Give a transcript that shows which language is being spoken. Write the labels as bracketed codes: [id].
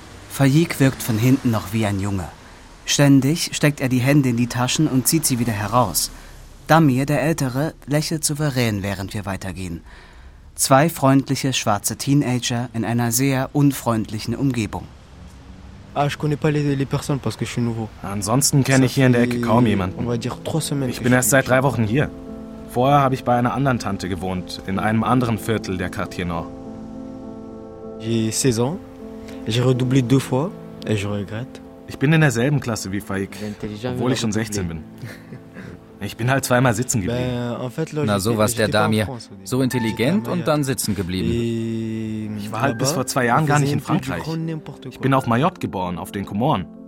[de] Fayik wirkt von hinten noch wie ein Junge. Ständig steckt er die Hände in die Taschen und zieht sie wieder heraus. Damir, der Ältere, lächelt souverän, während wir weitergehen. 2 freundliche schwarze Teenager in einer sehr unfreundlichen Umgebung. [fr] Ah, je connais pas les personnes parce que je suis nouveau. [de] Ansonsten kenne ich hier in der Ecke kaum jemanden. Ich bin erst seit 3 Wochen hier. Vorher habe ich bei einer anderen Tante gewohnt, in einem anderen Viertel der Quartier Nord. [fr] J'ai 16 ans. J'ai redoublé 2 fois et je regrette. [de] Ich bin in derselben Klasse wie Faik, obwohl ich schon 16 bin. Ich bin halt 2-mal sitzen geblieben. Na, sowas der Damir. So intelligent und dann sitzen geblieben. Ich war halt bis vor 2 Jahren gar nicht in Frankreich. Ich bin auf Mayotte geboren, auf den Komoren.